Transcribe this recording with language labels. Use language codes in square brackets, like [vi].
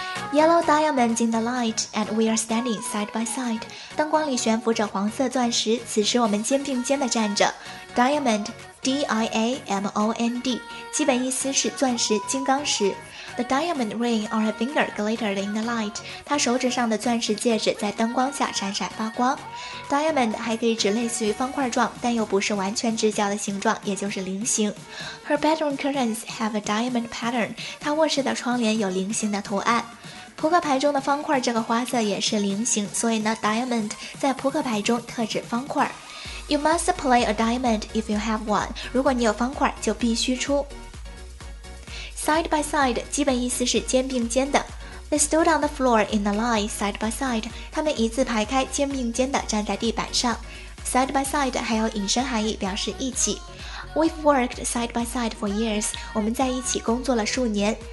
[en] Yellow diamonds in the light, and we are standing side by side. [zh] 灯光里悬浮着黄色钻石，此时我们肩并肩地站着。 Diamond, D-I-A-M-O-N-D, 基本意思是钻石、金刚石。 [en] The diamond ring on her finger glittered in the light. [zh] 她手指上的钻石戒指在灯光下闪闪发光。 Diamond 还可以指类似于方块状，但又不是完全直角的形状，也就是菱形。 [en] Her bedroom curtains have a diamond pattern. [zh] 她卧室的窗帘有菱形的图案。扑克牌中的方块这个花色也是菱形，所以呢 diamond 在扑克牌中特指方块。 [en] You must play a diamond if you have one. [zh] 如果你有方块就必须出。 Side by side, 基本意思是肩并肩的。 [en] They stood on the floor in the line, side by side. [zh] 他们一字排开，肩并肩的站在地板上。 [en] Side by side [zh] 还有引申含义，表示一起。 [en] We've worked side by side for years. [zh] 我们在一起工作了数年。